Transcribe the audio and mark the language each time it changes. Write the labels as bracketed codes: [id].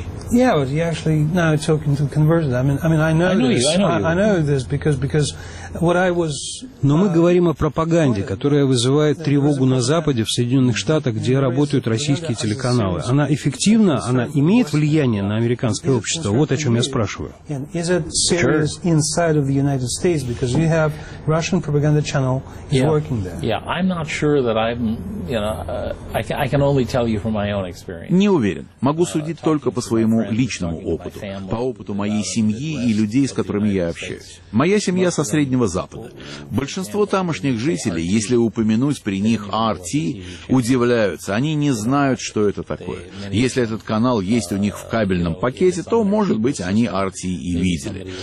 [en] Yeah, but you're actually now talking to converted. I know this because what I was. [ru] Но мы говорим о пропаганде, которая вызывает тревогу на Западе, в Соединенных Штатах, где работают российские телеканалы. Она эффективна, она имеет влияние на американское общество. Вот о чем я спрашиваю. [en] Is it serious inside of the United States because you have Russian propaganda channel working there? Yeah, I'm not sure that I'm. You know, I can only tell you from my own experience. [ru] Не уверен. Могу судить только по своему личному опыту, по опыту моей семьи и людей, с которыми я общаюсь. Моя семья со Среднего Запада. Большинство тамошних жителей, если упомянуть при них RT, удивляются. Они не знают, что это такое. Если этот канал есть у них в кабельном пакете, то, может быть, они RT и видели.